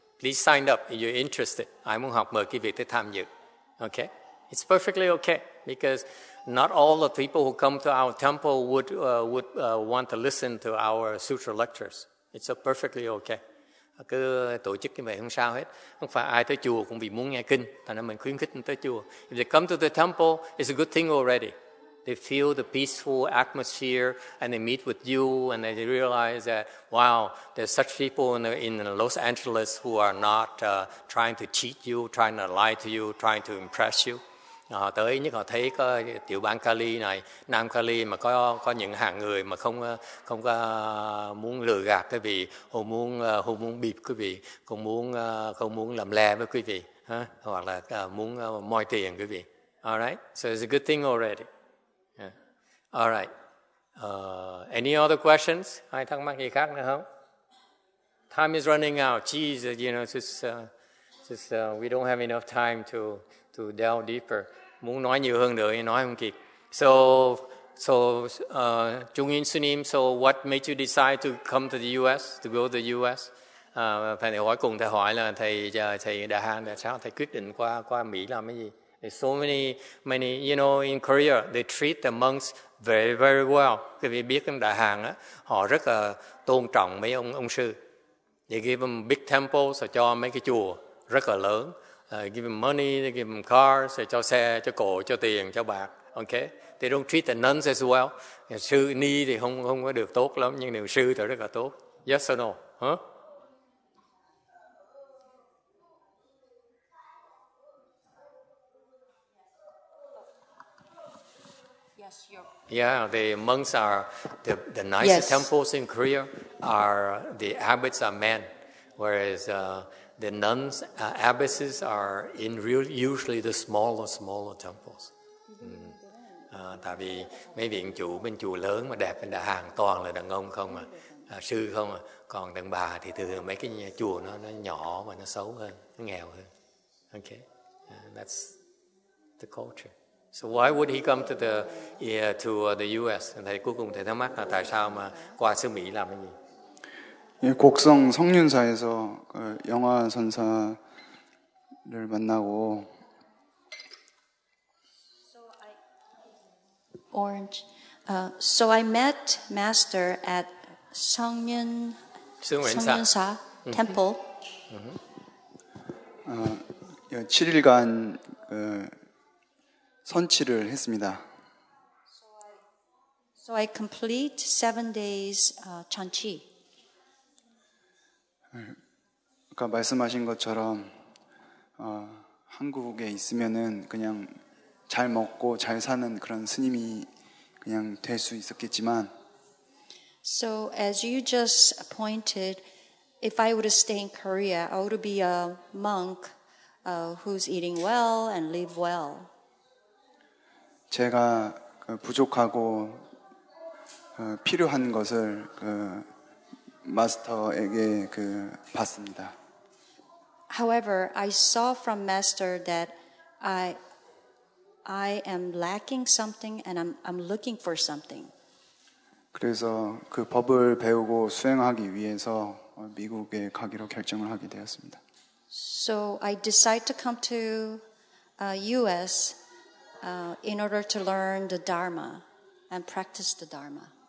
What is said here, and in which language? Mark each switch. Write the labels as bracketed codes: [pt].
[en] Please sign up if you're interested. [vi] Ai muốn học mời quý vị tới tham dự. [en] Okay. It's perfectly okay because not all the people who come to our temple would want to listen to our sutra lectures. It's perfectly okay. [vi] Cứ tổ chức như vậy không sao hết. Không phải ai tới chùa cũng vì muốn nghe kinh, thành ra mình khuyến khích người tới chùa. [en] If they come to the temple, it's a good thing already. They feel the peaceful atmosphere and they meet with you and they realize that wow, there's such people in Los Angeles who are not trying to cheat you, trying to lie to you, trying to impress you. [vi] Tới nhất họ thấy có tiểu bang Cali này, Nam Cali mà có những hạng người mà không có muốn lừa gạt quý vị, không muốn bịp quý vị, không muốn làm le với quý vị, hoặc là muốn moi tiền quý vị. [en] All right, so it's a good thing already. All right. Any other questions? [vi] Ai thắc mắc gì khác nữa không? [en] Time is running out. Jeez, you know, we don't have enough time to delve deeper. [vi] Muốn nói nhiều hơn nữa, nói không kịp. [en] So, what made you decide to come to the U.S., to go to the U.S.? [vi] thầy thì hỏi cùng thầy hỏi là thầy giờ thầy đã hàng tại sao thầy quyết định qua qua Mỹ làm cái gì? [en] So many you know in Korea they treat the monks very well. [vi] Các vị biết trong đại hàng á, họ rất là tôn trọng mấy ông sư. [en] They give them big temples, [vi] cho mấy cái chùa rất là lớn. [en] Give them money, they give them cars, [vi] cho xe, cho cổ, cho tiền, cho bạc. [en] Okay, they don't treat the nuns as well. [vi] Nhà sư ni thì không có được tốt lắm, nhưng nếu sư thì rất là tốt. [en] Yes or no? Huh? Yeah, the monks are the nicest yes. temples in Korea are the abbots are men, whereas the nuns abbesses are in real usually the smaller temples. [vi] Tại vì mấy viện chủ bên chùa lớn mà đẹp bên đại hàng toàn là đàn ông không à, sư không à, còn đàn bà thì thường mấy cái chùa nó nhỏ và nó xấu hơn, nó nghèo hơn. [en] Okay, that's the culture. So why would he come to the U.S. [vi] And thầy cuối cùng thầy thắc mắc là tại sao mà qua xứ Mỹ làm cái gì? [ko] 예, 곡성 성륜사에서 그 영화 선사를 만나고 [en] Orange. So I met Master at 성륜사 Temple. [ko] 7일간 그 선치를 했습니다. [en] So I complete 7 days 전치. [ko] 아까 말씀하신 것처럼 한국에 있으면은 그냥 잘 먹고 잘 사는 그런 스님이 그냥 될 수 있었겠지만 [en] So as you just pointed, if I would stay in Korea, I would be a monk who's eating well and live well. [ko] 제가 부족하고 필요한 것을 마스터에게 봤습니다. [en] However, I saw from Master that I am lacking something and I'm looking for something. [ko] 그래서 그 법을 배우고 수행하기 위해서 미국에 가기로 결정을 하게 되었습니다. [en] So I decided to come to U.S. In order to learn the Dharma and practice the Dharma.